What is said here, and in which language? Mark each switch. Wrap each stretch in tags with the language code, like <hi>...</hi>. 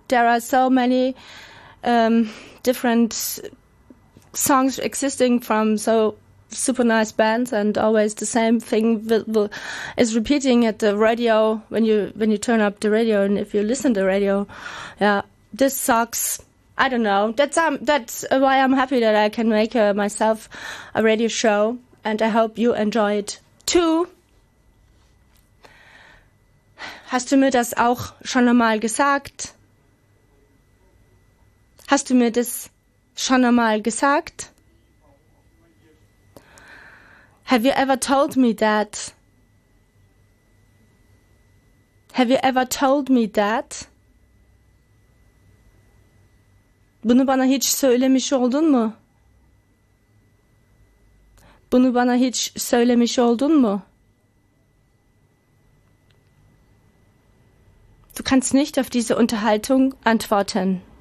<en>There are so many different songs existing from so super nice bands, and always the same thing is repeating at the radio when you turn up the radio and if you listen to the radio. Yeah, this sucks. I don't know. That's why I'm happy that I can make myself a radio show, and I hope you enjoy it too.</en> <de>Hast du mir das auch schon einmal gesagt? Hast du mir das schon einmal gesagt?</de> <en>Have you ever told me that? Have you ever told me that?</en> <tr>Bunu bana hiç söylemiş oldun mu? Bunu bana hiç söylemiş oldun mu?</tr> <de>Du kannst nicht auf diese Unterhaltung antworten.</de>